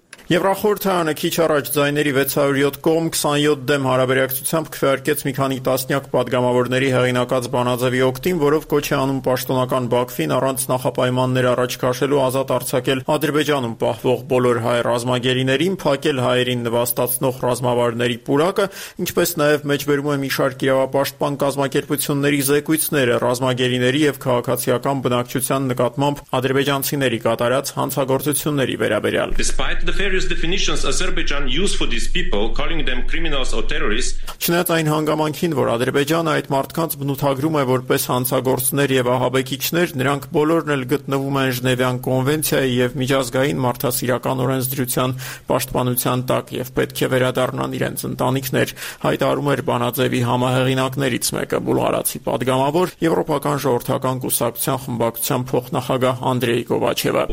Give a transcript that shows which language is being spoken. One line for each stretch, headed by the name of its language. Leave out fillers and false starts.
Armenian: Եվրոխորհրդարանը քիչ առաջ ձայների 607 կողմ 27 դեմ հարաբերակցությամբ քվեարկեց մի քանի տասնյակ падգամավորների հեղինակած բանաձևի օկտին, որով կոչ է անում պաշտոնական Բաքվին առանց նախապայմաններ առաջ քաշելու ազատ արձակել Ադրբեջանում պահվող բոլոր հայ ռազմագերիներին, փակել հայերին նվաստացնող ռազմավարների պուրակը, ինչպես նաև մեջբերում է մի շարք իրավապաշտպան կազմակերպությունների զեկույցները ռազմագերիների և քաղաքացիական բնակչության նկատմամբ ադրբեջանցիների կատարած հանցագործությունների վերաբերյալ։
English: Various definitions Azerbaijan used for these people, calling them criminals or terrorists.
Armenian: Չնայած այն հանգամանքին, որ Ադրբեջանը այդ մարդկանց բնութագրում է որպես հանցագործներ եւ ահաբեկիչներ, նրանք բոլորն էլ գտնվում են Ժնևյան կոնվենցիայի եւ միջազգային մարդասիրական օրենսդրության պաշտպանության տակ եւ պետք է վերադառնան իրենց ընտանիքներ, հայտարարում էր բանաձևի համահեղինակներից մեկը՝ բուլղարացի падգամավոր Եվրոպական ժողովրդական կուսակցության խմբակցության փոխնախագահ Անդրեյ Կովաչևը.